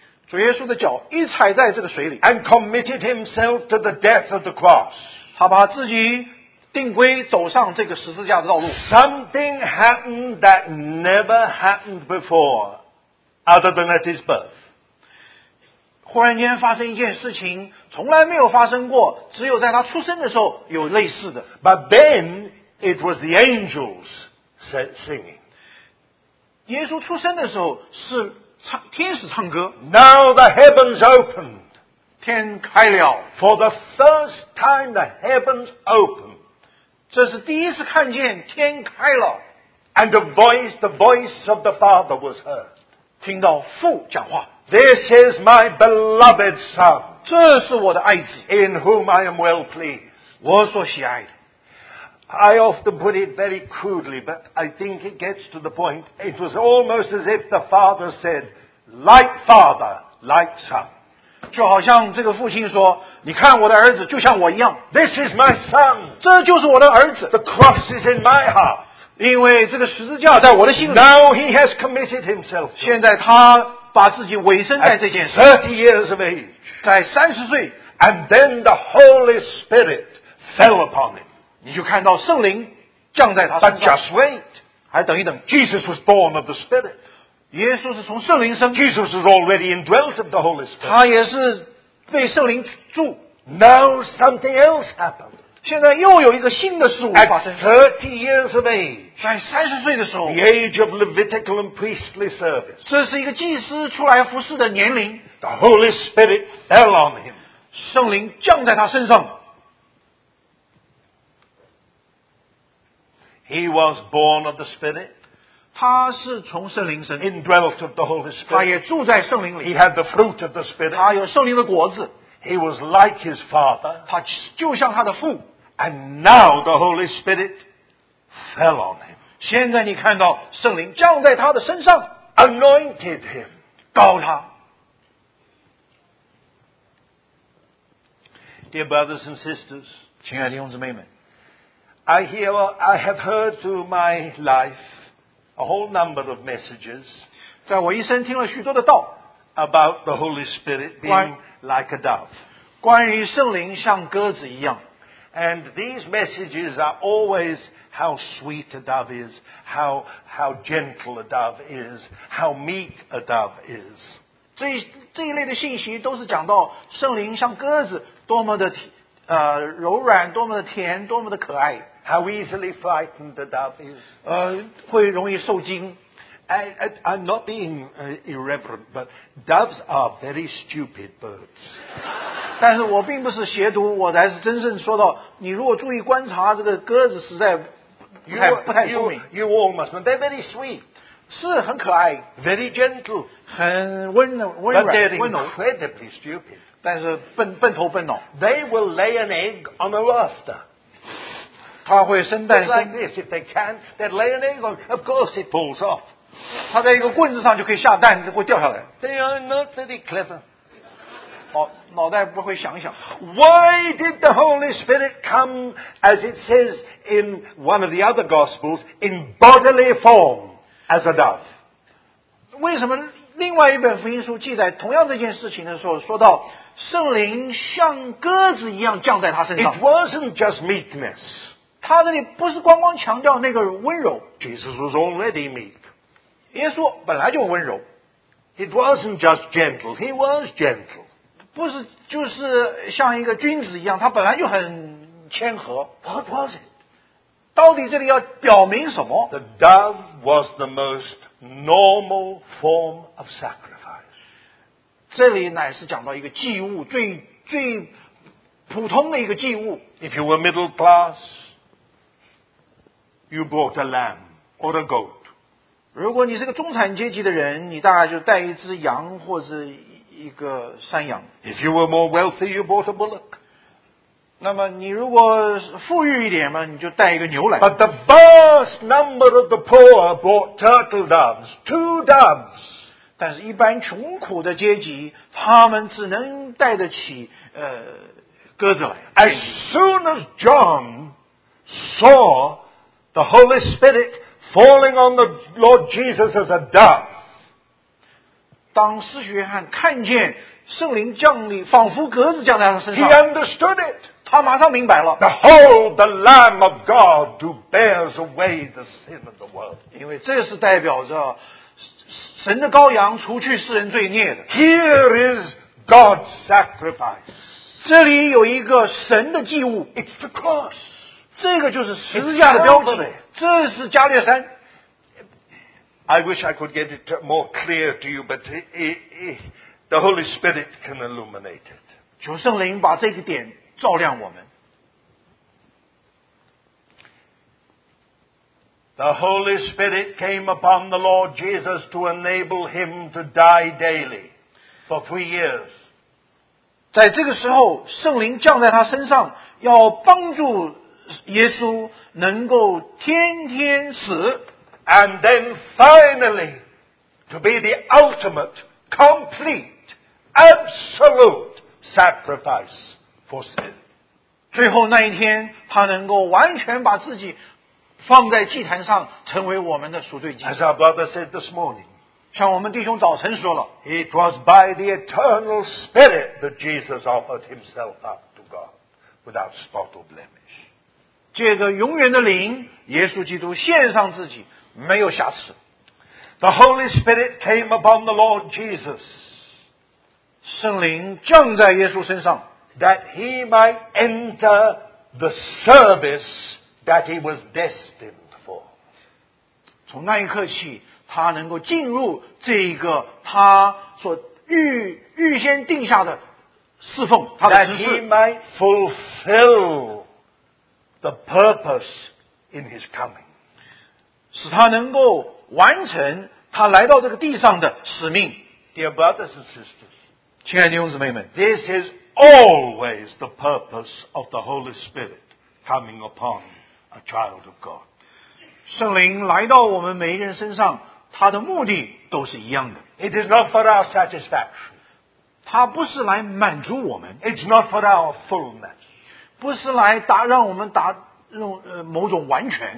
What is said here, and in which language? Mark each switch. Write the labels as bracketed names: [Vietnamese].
[Chinese] 主耶稣的脚一踩在这个水里 [English] ,and committed himself to the death of the cross, [Chinese] 他把自己定规走上这个十字架的道路。 [English] Something happened that never happened before, other than at his birth. [Chinese] 忽然间发生一件事情，从来没有发生过，只有在他出生的时候有类似的。 [English] But then it was the angels singing. [Chinese] 耶稣出生的时候是唱天使唱歌。 [English] Now the heavens opened. [Chinese] 天开了。 [English] For the first time the heavens opened. [Chinese] 这是第一次看见天开了。 [English] And the voice of the Father was heard. [Chinese] 听到父讲话。 [English] This is my beloved son. [Chinese] 这是我的爱子。 [English] In whom I am well pleased. [Chinese] 我所喜爱的。 [English] I often put it very crudely, but I think it gets to the point. It was almost as if the father said, like father, like son. [Chinese] 就好像这个父亲说，你看我的儿子就像我一样。 [English] This is my son. [Chinese] 这就是我的儿子。 [English] The cross is in my heart. [Chinese] 因为这个十字架在我的心里。 [English] Now he has committed himself. [Chinese] 现在他把自己委身在这件事。 [English] 30 years of age. [Chinese] 在30岁。 [English] And then the Holy Spirit fell upon him. [Chinese] 你就看到圣灵降在他身上。 [English] But just wait. [Chinese] 还等一等。 [English] Jesus was born of the Spirit. [Chinese] 耶稣是从圣灵生。 [English] Jesus is already indwelt of the Holy Spirit. [Chinese] 他也是被圣灵住。 [English] Now something else happened. [Chinese] 现在又有一个新的事物发生。 [English] At 30 years of age. [Chinese] 在30岁的时候。 [English] The age of Levitical and priestly service. [Chinese] 这是一个祭司出来服侍的年龄。 [English] The Holy Spirit fell on him. [Chinese] 圣灵降在他身上。 [English] He was born of the Spirit. [Chinese] 他是从圣灵生。 [English] Indwelt of the Holy Spirit. [Chinese] 他也住在圣灵里。 [English] He had the fruit of the Spirit. [Chinese] 他有圣灵的果子。 [English] He was like his father. [Chinese] 他就像他的父。 [English] And now the Holy Spirit fell on him. [Chinese] 现在你看到圣灵降在他的身上。 [English] Anointed him. [Chinese] 膏他。 [English] Dear brothers and sisters. [Chinese] 亲爱的弟兄姊妹们。 [English] I have heard through my life a whole number of messages [Chinese] 在我一生听了许多的道 [English] about the Holy Spirit being like a dove [Chinese] 关于圣灵像鸽子一样 [English] and these messages are always how sweet a dove is how gentle a dove is how meek a dove is [Chinese] 这一类的信息都是讲到圣灵像鸽子多么的柔软多么的甜多么的可爱 [English] How easily frightened the dove is. [Chinese] 会容易受惊。 [English] I'm not being irreverent, but doves are very stupid birds. [Chinese] 但是我并不是亵渎，我才是真正说到，你如果注意观察这个鸽子，实在不太聪明。 [English] You all must know they're very sweet. [Chinese] 是很可爱。 [English] Very gentle. [Chinese] 很温柔，温柔。 [English] But they're incredibly stupid. [Chinese] 但是笨头笨脑。 [English] They will lay an egg on a rafter. [Chinese] 它会生蛋生。 [English] Like this, if they can, they lay an egg on. Of course, it falls off. [Chinese] 它在一个棍子上就可以下蛋，就会掉下来。 [English] They are not very clever. [Chinese] 脑袋不会想一想。 [English] Why did the Holy Spirit come, as it says in one of the other Gospels, in bodily form as a dove? [Chinese] 为什么另外一本福音书记载同样这件事情的时候说到？圣灵像鸽子一样降在他身上。 [English] It wasn't just meekness. [Chinese] 他这里不是光光强调那个温柔。 [English] Jesus was already meek. [Chinese] 耶稣本来就温柔。 [English] It wasn't just gentle. He was gentle. [Chinese] 不是就是像一个君子一样，他本来就很谦和。 [English] What was it? [Chinese] 到底这里要表明什么？ [English] The dove was the most normal form of sacrifice. [Chinese] 这里乃是讲到一个祭物，最普通的一个祭物。 [English] If you were middle class, you brought a lamb or a goat. [Chinese] 如果你是个中产阶级的人，你大概就带一只羊或者一个山羊。 [English] If you were more wealthy, you brought a bullock. [Chinese] 那么你如果富裕一点嘛，你就带一个牛来。 [English] But the vast number of the poor brought turtle doves, two doves. [Chinese] 但是一般穷苦的阶级他们只能带得起鸽子来。 [English] As soon as John saw the Holy Spirit falling on the Lord Jesus as a dove, [Chinese] 当司徒约翰看见圣灵降临仿佛鸽子降在他身上 [English] He understood it. [Chinese] 他马上明白了。 [English] Behold the Lamb of God who bears away the sin of the world. [Chinese] 因为这是代表着神的羔羊除去世人罪孽的。 [English] Here is God's sacrifice. [Chinese] 这里有一个神的祭物。 [English] It's the cross. [Chinese] 这个就是十字架的标记。这是加略山。 [English] I wish I could get it more clear to you, but the Holy Spirit can illuminate it. [Chinese] 求圣灵把这个点照亮我们。 [English] The Holy Spirit came upon the Lord Jesus to enable him to die daily for 3 years. [Chinese] 在这个时候，圣灵降在他身上，要帮助耶稣能够天天死。 [English] And then finally, to be the ultimate, complete, absolute sacrifice for sin. [Chinese] 最后那一天，他能够完全把自己放在祭坛上，成为我们的赎罪祭。 [English] As our brother said this morning, [Chinese] 像我们弟兄早晨说了， [English] It was by the eternal spirit that Jesus offered himself up to God without spot or blemish. [Chinese] 借着永远的灵，耶稣基督献上自己，没有瑕疵。 [English] The Holy Spirit came upon the Lord Jesus. [Chinese] 圣灵降在耶稣身上， [English] that he might enter the service that he was destined for. [Chinese] 从那一刻起，他能够进入这一个他所预先定下的侍奉，他的职事。 [English] That he might fulfill the purpose in his coming. [Chinese] 使他能够完成他来到这个地上的使命。 [English] Dear brothers and sisters, [Chinese] 亲爱的弟兄姊妹们， [English] this is always the purpose of the Holy Spirit coming upon you. A child of God. [Chinese] 圣灵来到我们每一个人身上，他的目的都是一样的。 [English] It is not for our satisfaction. [Chinese] 他不是来满足我们。 [English] It's not for our fullness. [Chinese] 不是来让我们达用某种完全。